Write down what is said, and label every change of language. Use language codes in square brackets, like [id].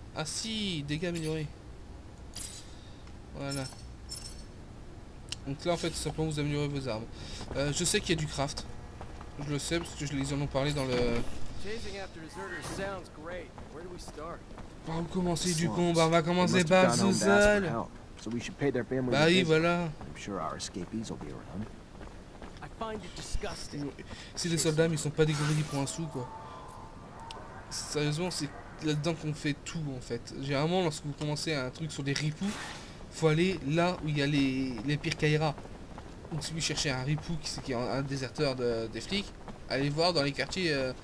[fr] Ah si, dégâts améliorés. Voilà. Donc là en fait, simplement vous améliorez vos armes. Je sais qu'il y a du craft. Je le sais parce que ils en ont parlé dans le... Par où commencer du combat? On va commencer par Zuzal. [en] So we should pay their family. [fr] Bah oui, voilà. [en] I'm sure our escapees will be around. I find it disgusting. [fr] Si les soldats, ils sont pas dégourdis pour un sou, quoi. Sérieusement, c'est là-dedans qu'on fait tout, en fait. Généralement, lorsque vous commencez un truc sur des ripoux, faut aller là où il y a les pires caïras. Donc si vous cherchez un ripoux qui est un déserteur des flics, allez voir dans les quartiers.